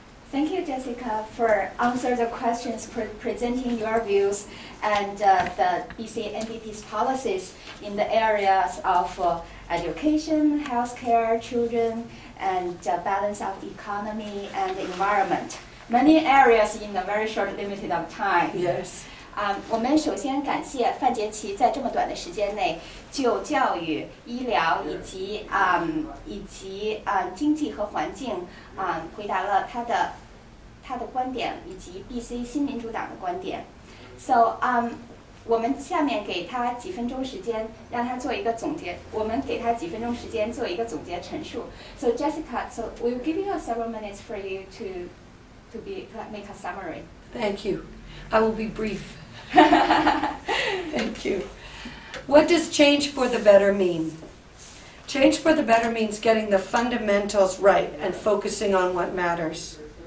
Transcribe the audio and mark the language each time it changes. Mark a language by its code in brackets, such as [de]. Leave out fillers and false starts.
[en] Thank you, Jessica, for answering the questions, presenting your views and the BC NDP's policies in the areas of education, healthcare, children, and balance of economy and environment. Many areas in a very short limited of time. Yes. [zh] 我们首先感谢范杰奇在这么短的时间内就教育、医疗以及经济和环境回答了他的观点以及 BC 新民主党的观点。 [en] So, [zh] 我们下面给他几分钟时间让他做一个总结。我们给他几分钟时间做一个总结陈述。 [en] So, Jessica, so we'll give you several minutes for you to make a summary. Thank you. I will be brief. Thank you. What does change for the better mean? Change for the better means getting the fundamentals right and focusing on what matters.